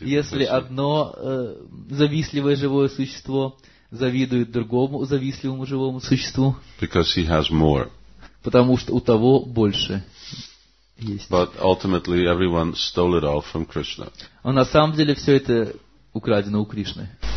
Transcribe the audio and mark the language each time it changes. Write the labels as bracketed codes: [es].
[ru] Если одно завистливое живое существо завидует другому завистливому живому существу, [en] because he has more. [ru] Потому что у того больше есть. [en] But ultimately everyone stole it all from Krishna. [ru] А на самом деле все это украдено у Кришны.